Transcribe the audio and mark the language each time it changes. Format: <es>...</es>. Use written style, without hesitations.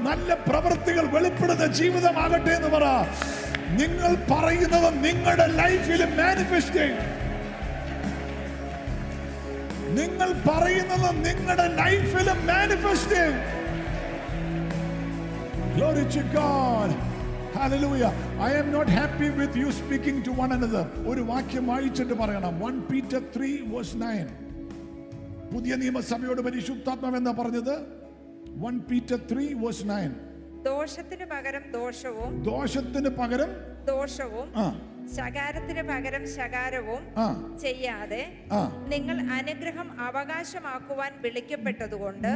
<ml>നല്ല പ്രവൃത്തികൾ വെളിപ്പെടുന്ന ജീവിതമാകട്ടെ എന്ന് പറ. നിങ്ങൾ പറയുന്നത് നിങ്ങളുടെ ലൈഫിൽ മാനിഫെസ്റ്റ് ചെയ്യും. നിങ്ങൾ പറയുന്നത് നിങ്ങളുടെ ലൈഫിൽ മാനിഫെസ്റ്റ് ചെയ്യും.</ml> <en>Glory to God. Hallelujah. I am not happy with you speaking to one another.</en> <ml>ഒരു വാക്യം വായിച്ചിട്ട് പറയണം.</ml> <en>1 Peter 3 verse 9.</en> <ml>പുതിയ നിയമസഭയോട് പരിശുദ്ധാത്മാവ് എന്നാ പറഞ്ഞത്?</ml> <en>1 Peter 3 verse 9.</en> <ml>ദോഷത്തിനു പകരം ദോഷവും, ദോഷത്തിനു പകരം ദോഷവും, ശകാരത്തിനു പകരം ശകാരവും ചെയ്യാതെ നിങ്ങൾ അനുഗ്രഹം അവകാശമാക്കുവാൻ വിളിക്കപ്പെട്ടതുകൊണ്ട്,</ml>